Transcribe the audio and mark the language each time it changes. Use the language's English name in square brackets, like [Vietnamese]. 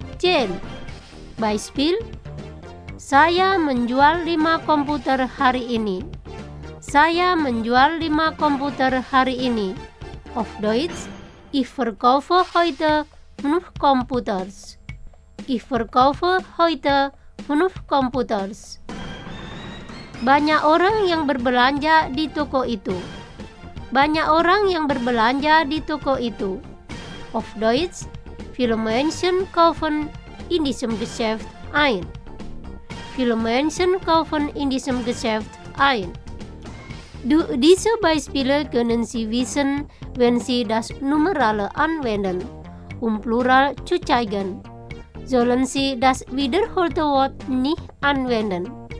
[German] Zehn. Beispiel. [Indonesian] Saya menjual 5 komputer hari ini. Saya menjual 5 komputer hari ini. [German] Auf Deutsch. Ich verkaufe heute 5 computers. Ich verkaufe heute 5 computers. [Indonesian] Banyak orang yang berbelanja di toko itu. Banyak orang yang berbelanja di toko itu. [German] Auf Deutsch. Viele Menschen kaufen in diesem Geschäft ein. Viele Menschen kaufen in diesem Geschäft ein. Durch diese Beispiele können Sie wissen, wenn Sie das Numerale anwenden, Plural zu zeigen, sollen Sie das wiederholte Wort nicht anwenden.